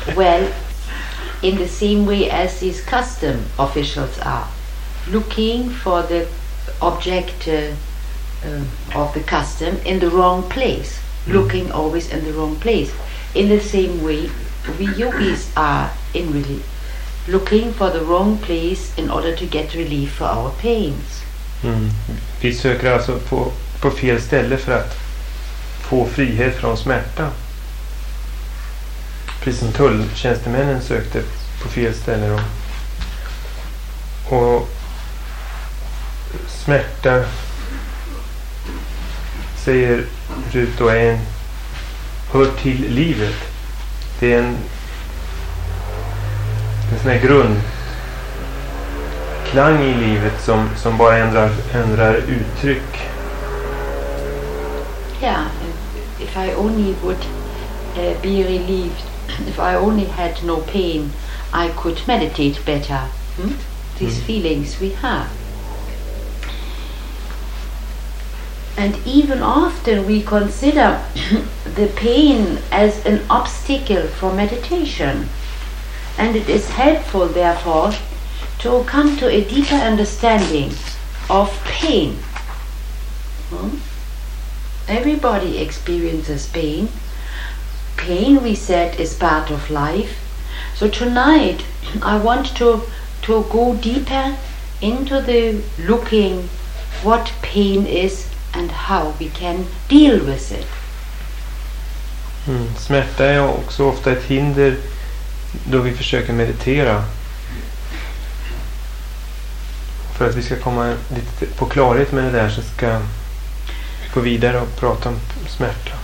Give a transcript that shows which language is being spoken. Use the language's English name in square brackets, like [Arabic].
[English] Well, in the same way as these custom officials are looking for the object of the custom in the wrong place, looking always in the wrong place. In the same way, we yogis are in really looking for the wrong place in order to get relief for our pains. [Swedish] Vi söker alltså på fel ställe för att få frihet från smärta. Precis som tulltjänstemännen sökte på fel ställe då. Och smärta, säger Rut, hör till livet. Det är en sån här grundklang i livet som bara ändrar uttryck. [English] Ja, if I only would be relieved, if I only had no pain, I could meditate better. These feelings we have. And even often we consider the pain as an obstacle for meditation. And it is helpful, therefore, to come to a deeper understanding of pain. Everybody experiences pain. Pain, we said, is part of life. So tonight, I want to go deeper into the looking what pain is and how we can deal with it. [Swedish] Smärta är också ofta ett hinder då vi försöker meditera för att vi ska komma lite på klarhet med det där, så ska vi gå vidare och prata om smärta.